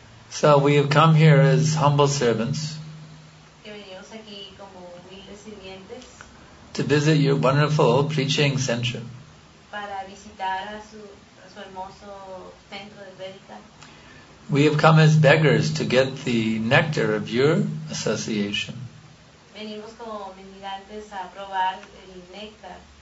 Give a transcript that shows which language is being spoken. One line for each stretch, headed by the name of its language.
English: So we have come here as humble servants
Spanish: que venimos aquí como humildes sirvientes
English: to visit your wonderful preaching center.
Spanish: Para visitar a su hermoso centro de prédica.
English: We have come as beggars to get the nectar of your association.
Spanish: Venimos como mendigantes a probar el néctar.